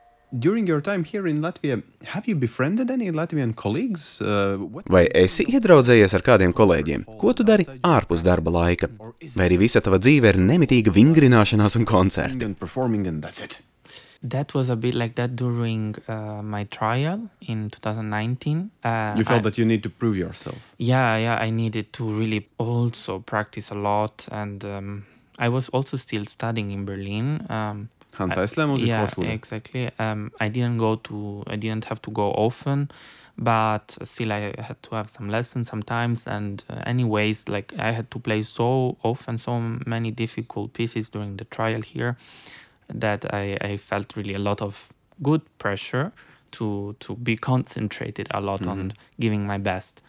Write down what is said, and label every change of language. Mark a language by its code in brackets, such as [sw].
[en] During your time here in Latvia, have you befriended any Latvian colleagues? [lv] Vai esi iedraudzējies ar kādiem kolēģiem? Ko tu dari ārpus darba laika? Vai arī visa tava dzīve ir nemitīga vingrināšanās un koncerti? [en] And performing and that's it. That was a bit like that during my trial in 2019. You felt that you need to prove yourself. Yeah, I needed to really also practice a lot and I was also still studying in Berlin. Exactly. I didn't have to go often, but still I had to have some lessons sometimes, and anyways, like I had to play so often, so many difficult pieces during the trial here, that I felt really a lot of good pressure to be concentrated a lot on giving my best.